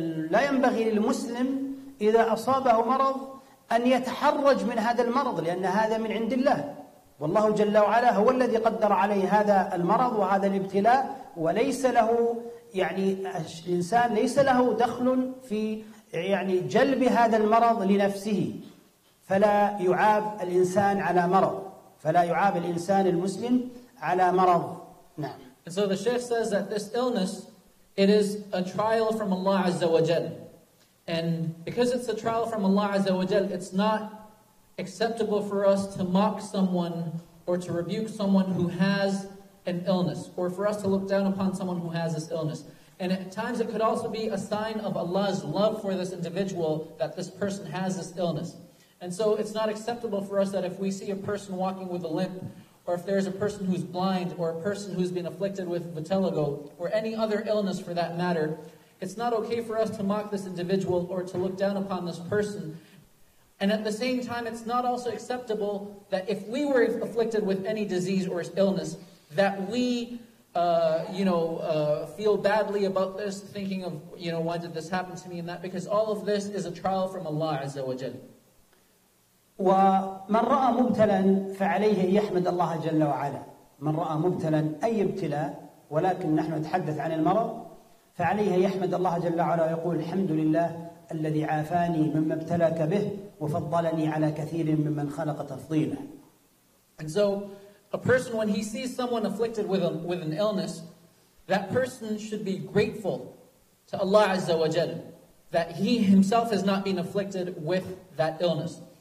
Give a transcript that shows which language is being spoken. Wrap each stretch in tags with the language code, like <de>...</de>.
<ar>لا ينبغي للمسلم إذا أصابه مرض أن يتحرج من هذا المرض لأن هذا من عند الله والله جل وعلا هو الذي قدر عليه هذا المرض وهذا الابتلاء وليس له يعني الإنسان ليس له دخل في يعني جلب هذا المرض لنفسه فلا يعاب الإنسان على مرض فلا يعاب الإنسان المسلم على مرض نعم.</ar> <en>And so the Sheikh says that this illness, it is a trial from Allah Azza wa Jal. And because it's a trial from Allah Azza wa Jal, it's not acceptable for us to mock someone or to rebuke someone who has an illness, or for us to look down upon someone who has this illness. And at times it could also be a sign of Allah's love for this individual that this person has this illness. And so it's not acceptable for us that if we see a person walking with a limp, or if there's a person who's blind, or a person who's been afflicted with vitiligo, or any other illness for that matter, it's not okay for us to mock this individual or to look down upon this person. And at the same time, it's not also acceptable that if we were afflicted with any disease or illness, that we feel badly about this, thinking of, you know, why did this happen to me and that, because all of this is a trial from Allah Azza wa Jal.</en> <ar>وَمَنْ رَأَى مُبْتَلًا فَعَلَيْهِ يَحْمَدَ اللَّهَ جَلَّ وَعَلَى مَنْ رَأَى مُبْتَلًا أي ابتلاء ولكن نحن نتحدث عن المرض فعليه يحمد الله جل وعلا ويقول الحمد لله الذي عافاني مما ابتلاك به وفضلني على كثير ممن خلق تفضيله.</ar> <en>And so, a person, when he sees someone afflicted with an illness, that person should be grateful to Allah Azza wa Jal that he himself has not been afflicted with that illness.</en>